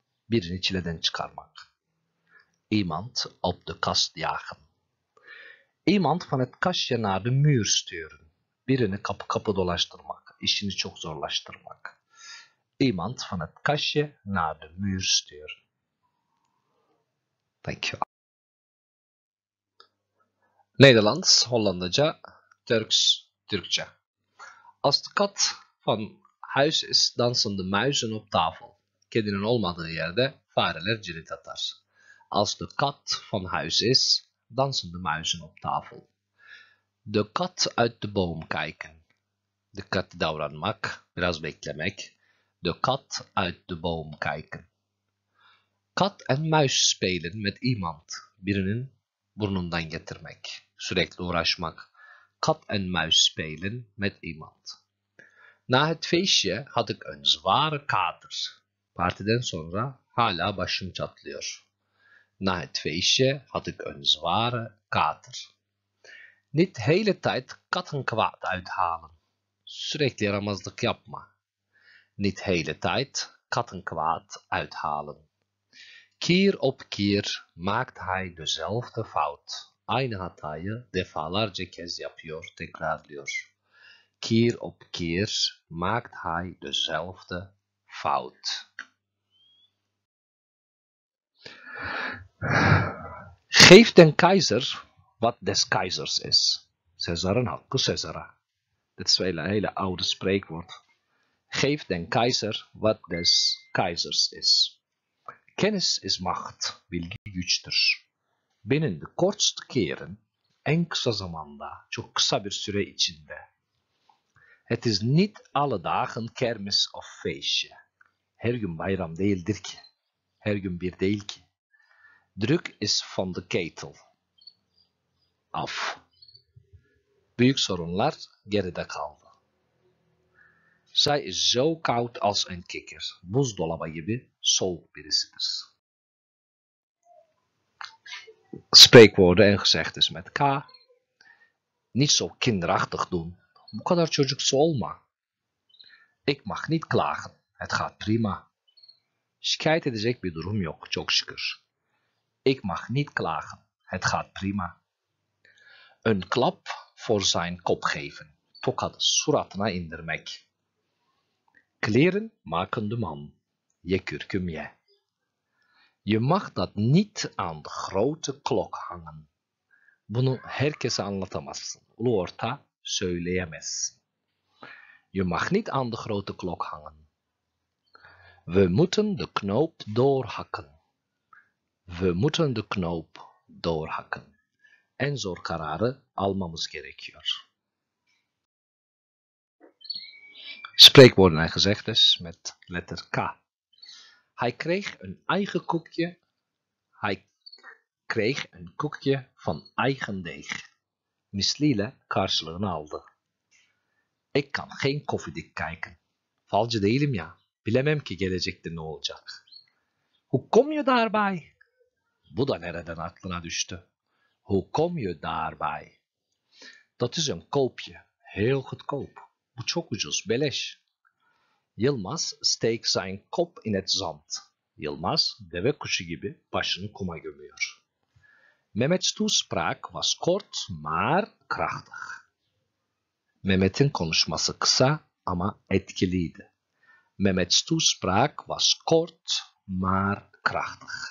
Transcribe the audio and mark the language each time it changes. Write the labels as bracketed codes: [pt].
[tr] birini çileden çıkarmak. [nl] Iemand op de kast jagen. Iemand van het kastje naar de muur sturen. [tr] Birini kapı kapı dolaştırmak, işini çok zorlaştırmak. [nl] Iemand van het kastje naar de muur sturen. [en] Thank you. [nl] Nederlands, Hollandica, Turks, Türkçe. Als de kat van huis is, dansen de muizen op tafel. [tr] Kedinin olmadığı yerde fareler cirit atar. [nl] Als de kat van huis is, dansen de muizen op tafel. De kat uit de boom kijken. [tr] De kat davranmak, biraz beklemek. [nl] De kat uit de boom kijken. Kat en muis spelen met iemand. [tr] Birinin burnundan getirmek. Sürekli uğraşmak. [nl] Kat en muis spelen met iemand. Na het feestje had ik een zware kater. [tr] Partiden sonra hala başım çatlıyor. [nl] Na het feestje had ik een zware kater. Niet de hele tijd kattenkwaad uithalen. [tr] Sürekli yaramazlık yapma. [nl] Niet de hele tijd kattenkwaad uithalen. Keer op keer maakt hij dezelfde fout. [tr] Aynı hatayı defalarca kez yapıyor, tekrarlıyor. [nl] Keer op keer maakt hij dezelfde fout. Geef den keizer wat des keizers is. [tr] Cesaren hakkı Cesara. [nl] Dit is een hele oude spreekwoord. Geef den keizer wat des keizers is. Kennis is macht, [tr] bilgi güçtür. [nl] Binnen de kortste keren, [tr] en kısa zamanda, çok kısa bir süre içinde. [nl] Het is niet alle dagen kermis of feestje. [tr] Her gün bayram değildir ki. Her gün bir değil ki. [nl] Druk is van de ketel. Af. [tr] Büyük sorunlar geride kaldı. [nl] Zij is zo koud als een kikker. [tr] Buzdolabı gibi soğuk birisidir. [nl] Spreekwoorden en gezegdes met K. Niet zo kinderachtig doen. [tr] Bu kadar çocuksu olma. [nl] Ik mag niet klagen. Het gaat prima. [tr] Şikayet edecek bir durum yok. Çok şükür. [nl] Ik mag niet klagen. Het gaat prima. Een klap voor zijn kop geven. [tr] Tokat suratına indirmek. [nl] Kleren maken de man. Je kürküm je. Je mag dat niet aan de grote klok hangen. [tr] Bunu herkese anlatamazsın. Ulu orta söyleyemezsin. [nl] Je mag niet aan de grote klok hangen. We moeten de knoop doorhakken. We moeten de knoop doorhakken. [tr] En zor kararı almamız gerekiyor. [nl] Spreekwoorden en gezegdes met letter K. Hij kreeg een eigen koekje. Hij kreeg een koekje van eigen deeg. [tr] Misliyle karşılığını aldı. [nl] Ik kan geen koffiedik kijken. [tr] Falcı değilim ya. Bilemem ki gelecekte ne olacak. [nl] Hoe kom je daarbij? [tr] Bu da nereden aklına düştü? [nl] Hoe kom je daarbij? Dat is een koopje. Heel goedkoop. [tr] Bu çok ucuz. Beleş. [nl] Yılmaz steekt zijn kop in het zand. [tr] Yılmaz, deve kuşu gibi başını kuma gömüyor. [nl] Mehmet's toespraak was kort, maar krachtig. [tr] Mehmet'in konuşması kısa ama etkiliydi. [nl] Mehmet's toespraak was kort, maar krachtig.